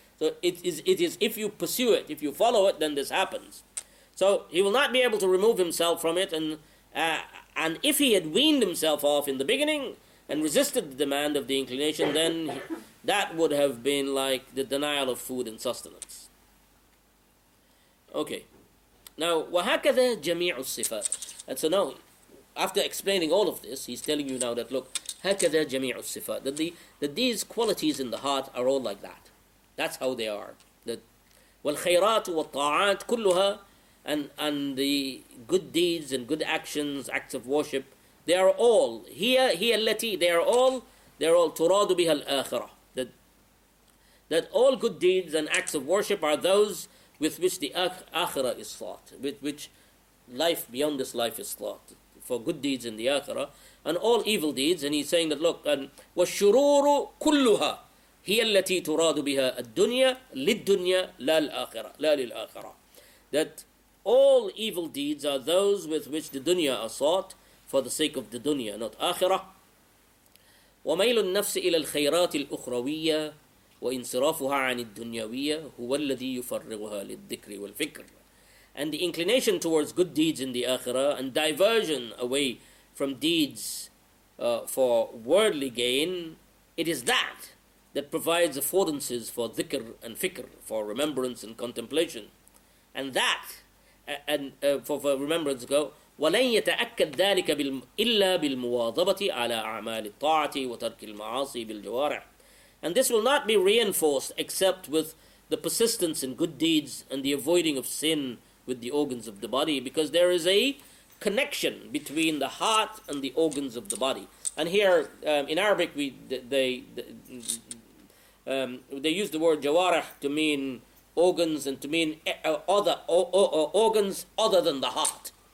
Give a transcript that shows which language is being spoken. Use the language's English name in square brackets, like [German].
[English] So it is if you pursue it, if you follow it, then this happens. So he will not be able to remove himself from it, and if he had weaned himself off in the beginning and resisted the demand of the inclination, then that would have been like the denial of food and sustenance. Okay. Now, [Arabic] وَهَكَذَا جَمِيعُ الصِّفَاتِ. [English] And so now, after explaining all of this, he's telling you now that, look, [Arabic] هَكَذَا جَمِيعُ الصِّفَاتِ, [English] that these qualities in the heart are all like that. That's how they are. That [Arabic] وَالْخَيْرَاتُ وَالطَّاعَاتِ كُلُّهَا, [English] and the good deeds and good actions, acts of worship, they are all, [Arabic] هِيَ الَّتِي, [English] they are all [Arabic] تُرَادُ بِهَا الْآخِرَةِ. [English] That all good deeds and acts of worship are those with which the akhirah is sought, with which life beyond this life is sought, for good deeds in the akhirah, and all evil deeds. And he's saying that, look, and [Arabic] وَالشُّرُورُ كُلُّهَا هِيَ الَّتِي تُرَادُ بِهَا الدُّنْيَا لِلدُّنْيَا لَا لِلْآخِرَةِ. [English] That all evil deeds are those with which the dunya are sought, for the sake of the dunya, not akhirah. [Arabic] وَمَيْلُ النَّفْسِ إِلَى الْخَيْرَاتِ الْأُخْرَوِيَّةِ وَإِنْصِرَافُهَا عَنِ الدُّنْيَوِيَّةِ هُوَ الَّذِي يُفَرِّغُهَا لِلذِّكْرِ وَالْفِكْرِ. [English] And the inclination towards good deeds in the akhirah and diversion away from deeds for worldly gain, it is that provides affordances for dhikr and fikr, for remembrance and contemplation. And that, for remembrance, go, [Arabic] وَلَنْ يَتَأَكَّدْ ذَلِكَ إِلَّا بِالْمُوَاظَبَةِ عَلَى أَعْمَالِ الطَّاعَةِ وَتَرْكِ الْمَعَاصِي بِالْجَوَارِحِ. [English] And this will not be reinforced except with the persistence in good deeds and the avoiding of sin with the organs of the body, because there is a connection between the heart and the organs of the body. And here, in Arabic, they use the word jawarih to mean organs and to mean other organs other than the heart.